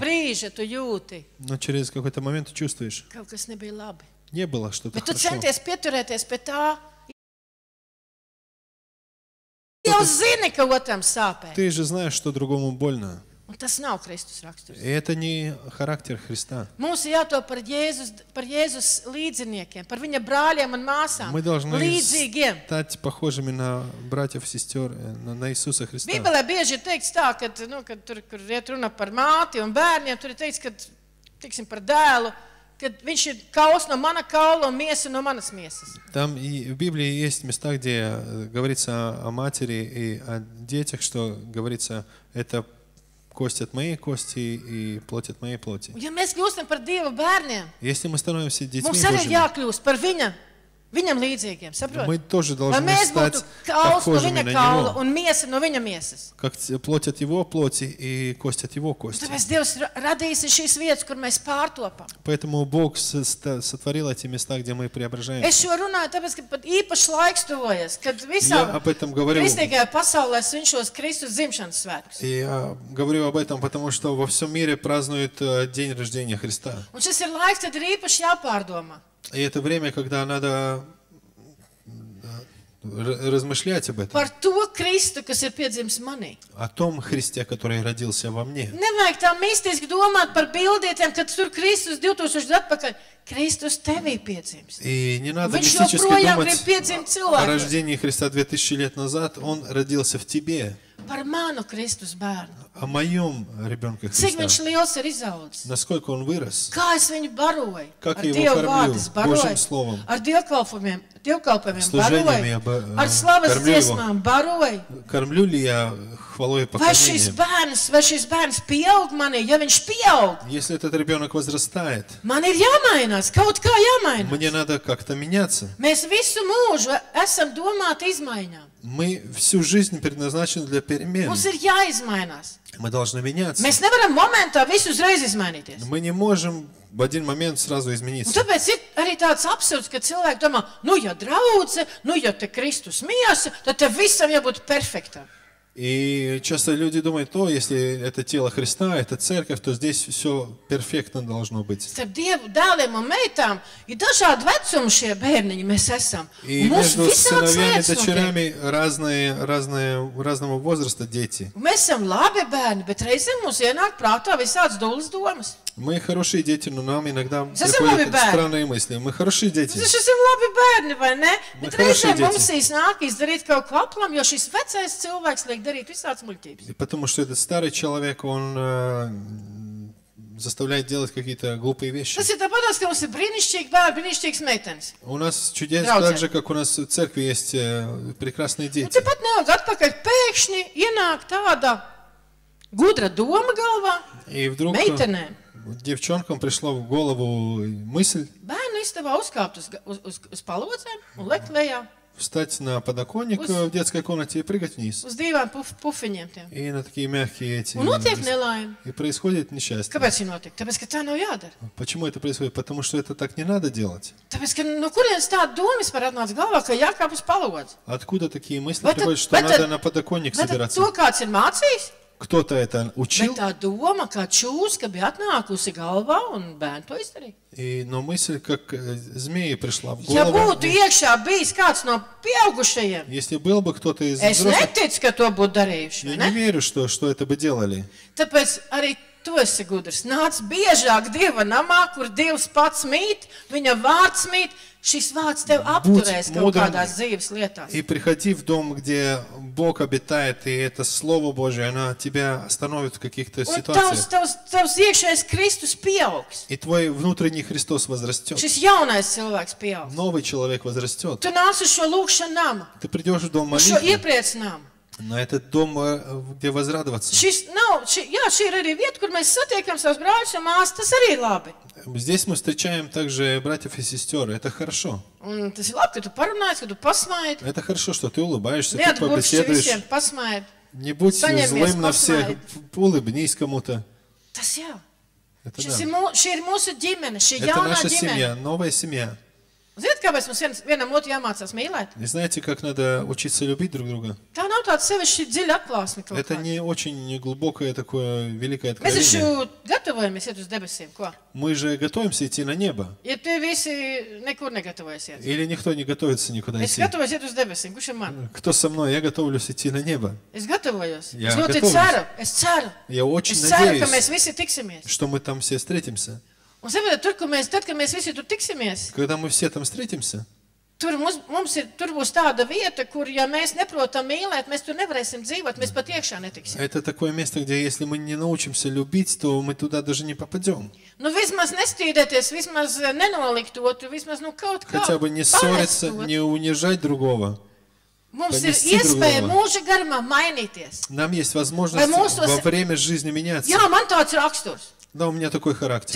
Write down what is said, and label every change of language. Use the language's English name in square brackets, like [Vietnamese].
[Latvian] Brīža, tu jūti, [Russian] но через какой-то момент ты чувствуешь, [Latvian] kaut kas nebija labi. [Russian] Не было что-то [Latvian] Bet [Russian] хорошо. Но ты центрешь пятуреться пе та. Ты уже знаешь, кого там сапе. Ты же знаешь, что другому больно. [Latvian] Un tas nav Kristus raksturs. [Russian] Это не характер Христа. [Latvian] Mums ir jāto par Jēzus līdziniekiem, par viņa brāļiem un māsām, līdzīgiem. [Russian] Стать похожими на братьев и сестёр, на Иисуса Христа. [Latvian] Bībelē bieži ir teikts tā, kad, nu, kad tur, kur iet runa par māti un bērniem, tur ir teikts, kad, tiksim, par dēlu, kad viņš ir kauls no mana kaula un miesa no manas miesas. [Russian] Там и в Библии есть места, где говорится о матери и о детях, что говорится, это кость от моей кости и плоть от моей плоти. [Latvian] Ja mēs kļūstam par Dieva bērniem. [Russian] Если мы становимся детьми Божьими. [Latvian] Mums arī jākļūst par viņa. Viņam līdzīgiem, saprot? [Russian] Мы тоже должны стать похожими на него. [Latvian] Un miesa no viņa miesas. [Russian] Как плоть от его плоти и кость от его кости. [Latvian] Tāpēc Dievs radījis šīs vietas, kur mēs pārtopam. [Russian] Поэтому Бог сотворил эти места, где мы преображаемся. [Latvian] Es šo runāju tāpēc, ka pat īpaši laiks tuvojas, kad visā kristīgajā pasaulē svinšos Kristus dzimšanas svētkus. [Russian] Я говорю об этом, потому что во всем мире празднуют день рождения Христа. [Latvian] Un šis ir laiks, tad ir īpaši jāpārdomā. [Russian] И это время, когда надо размышлять об этом. [Latvian] Par to Kristu, kas ir piedzimis manī. [Russian] О том Христе, который родился во мне. [Latvian] Nevajag tā mistiski domāt par bildītēm, kad tur Kristus 2000 gadu atpakaļ. Kristus tevī piedzimis. [Russian] И не надо мистически думать о рождении Христа 2000 лет назад. Он родился в тебе. [Latvian] Par manu Kristus bērnu. [Russian] О моем ребенке Христа. [Latvian] Cik viņš liels ir izaudzis. [Russian] Насколько он вырос. [Latvian] Kā es viņu baroju. [Russian] Как я его кормлю Божьим словом. [Latvian] Ar dievkalpojumiem, dievkalpojumiem [Russian] служениями [Latvian] baroju. Ar slavas dziesmām baroju. [Russian] Кормлю ли я хвалой и поклонением. [Latvian] Vai šis bērns pieaug manī, ja viņš pieaug. [Russian] Если этот ребенок возрастает. [Latvian] Man ir jāmainās, kaut kā jāmainās. [Russian] Мне надо как-то меняться. [Latvian] Mēs visu mūžu esam domāti izmaiņām. [Russian] Мы всю жизнь предназначены для перемен. [Latvian] Mums ir jāizmainās. [Russian] Мы должны меняться. [Latvian] Mēs nevaram momentā visu uzreiz izmainīties. [Russian] Мы не можем в один момент сразу измениться. [Latvian] Un tāpēc ir arī tāds absurds, ka cilvēki domā, nu ja draudze, nu ja te Kristus miesa, tad te visam jābūt perfektā. [Russian] И часто люди думают, то, если это тело Христа, это церковь, то здесь все перфектно должно быть. [Latvian] Starp Dievu dēliem un meitām ir dažādi vecumi šie bērniņi mēs esam. [Russian] И между сыновьями и дочерями разного возраста дети. [Latvian] Mēs esam labi bērni, bet reizēm mums ienāk prātā visādas dūlas domas. [Russian] Мы хорошие дети, но нам иногда приходят странные мысли. Мы хорошие дети. Мы же [Latvian] labi bērni, vai ne? [Russian] Мы хорошие дети. [Latvian] Mums iznāk izdarīt kaut ko aplam, jo šis vecais cilvēks liek darīt visādas muļķības. [Russian] Потому что этот старый человек, он заставляет делать какие-то глупые вещи. [Latvian] Tas ir tāpat, ka mums ir brīnišķīgi bērni, brīnišķīgas meitenes. [Russian] У нас чудес так же, как у нас в церкви есть прекрасные дети. [Latvian] Un tāpat nav, atpakaļ pēkšņi ienāk tāda gudra doma galvā. [Russian] И вдруг [Latvian] meitenēm. [Russian] Девчонкам пришло в голову мысль. [Latvian] Bērnu istabā uzkāpt uz palodzēm un lekt lejā. [Russian] Встать на подоконник в детской комнате и прыгать вниз. [Latvian] Uz divām pufiņiem tiem. [Russian] И на такие мягкие эти. [Latvian] Un notiek nelaime. [Russian] И происходит несчастье. [Latvian] Kāpēc viņi notiek? Tāpēc, ka tā nav jādara. [Russian] Почему это происходит? Потому что это так не надо делать. [Latvian] Tāpēc, ka no kurienes tā domas var atnāc galvā, ka jākāp uz palodzes? [Russian] Откуда такие мысли приходят, что надо на подоконник собираться? [Latvian] Bet to kāds ir mācījis? [Russian] Кто-то это учил. [Latvian] Bet tā doma, kā čūska bija atnākusi galvā un bērni to izdarīja. [Russian] И, но мысль, как змея пришла в голову. [Latvian] Ja būtu iekšā bijis kāds no pieaugušajiem. [Russian] Если был бы кто-то из взрослых. [Latvian] Es neticu, ka to būtu darījuši. [Russian] Я не верю, что это бы делали. [Latvian] Tāpēc arī tu esi gudrs. Nāc biežāk Dieva namā, kur Dievs pats mīt, viņa vārds mīt. Šis vārds tev apturēs kaut kādās dzīves lietās. [Russian] И приходи в дом, где Бог обитает, и это Слово Божие, оно тебя остановит в каких-то ситуациях. [Latvian] Un tavs iekšējais Kristus pieaugs. [Russian] И твой внутренний Христос возрастет. [Latvian] Šis jaunais cilvēks pieaugs. [Russian] Новый человек возрастет. [Latvian] Tu nāc uz šo lūkšanu nama. [Russian] Ты придешь в дом молитвы. [Latvian] Šo iepriecinājumu. [Russian] На этот дом, где возрадоваться. [Latvian] Šis, nav, ši, jā, ši ir arī vieta, kur mēs satiekam savus brāļus un māsas, tas arī ir labi. [Russian] Здесь мы встречаем также братьев и сестер. Это хорошо. [Latvian] Tas ir labi, ka tu parunājies, ka tu pasmājies. [Russian] Это хорошо, что ты улыбаешься, ты побеседуешь. [Latvian] Visiem pasmājies. [Russian] Не будь [Latvian] Saņemies [Russian] злым на всех. Улыбнись кому-то. [Latvian] Tas jā. [Russian] Это да. [Latvian] Ši ir mūsu ģimene, ši jaunā [Russian] Это наша семья, новая семья. [Latvian] Ziniet, kāpēc mums vienam otru jāmācās mīlēt? [Russian] Не знаете, как надо учиться любить друг друга? [Latvian] Tā nav tāda sevišķi dziļa atklāsme kaut kā. [Russian] Это не очень глубокое такое великое откровение. [Latvian] Mēs jau gatavojamies iet uz debesīm, ko? [Russian] Мы же готовимся идти на небо. [Latvian] Ja tu visi nekur negatavojas iet. [Russian] Или никто не готовится никуда идти. [Latvian] Es gatavojos iet uz debesīm, kurš ir man? [Russian] Кто со мной? Я готовлюсь идти на небо. [Latvian] Es gatavojos. [Russian] Я [Latvian] es ļoti ceru. Es ceru. [Russian] Я очень [Latvian] es ceru, [Russian] надеюсь, [Latvian] ka mēs visi tiksimies. [Russian] Что мы там все встретимся. [Latvian] Un saprotat, tur, kad mēs visi tur tiksimies, [Russian] когда мы все там встретимся, [Latvian] tur mums ir, tur būs tāda vieta, kur ja mēs neprotam mīlēt, mēs tur nevarēsim dzīvot, mēs pat iekšā netiksim. [Russian] Это такое место, где если мы не научимся любить, то мы туда даже не попадём. [Latvian] Nu vismaz nestīdēties, vismaz nenolikt otru, vismaz nu kaut kā. [Russian] Хотя бы не ссориться, не унижать другого. [Latvian] Mums ir iespēja mūža garumā mainīties. [Russian] Нам есть возможность во время жизни меняться. [Latvian] Jā, man tāds raksturs. [Russian] Да, у меня такой характер.